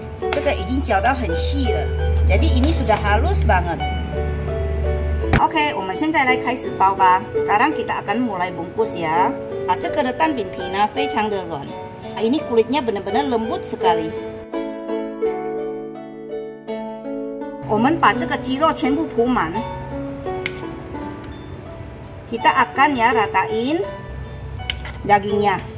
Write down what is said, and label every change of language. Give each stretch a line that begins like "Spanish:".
Chinese: 这个已经搅到很细了，
Indonesian: jadi ini sudah halus banget.
Chinese: Oke, 我们现在来开始包吧。
Indonesian: Sekarang kita akan mulai bungkus ya.
Chinese: 这个的蛋饼皮呢非常的软。
Indonesian: Ini kulitnya benar-benar lembut sekali.
Chinese: 我们把这个鸡肉全部铺满。
Indonesian: Kita akan ya ratain dagingnya.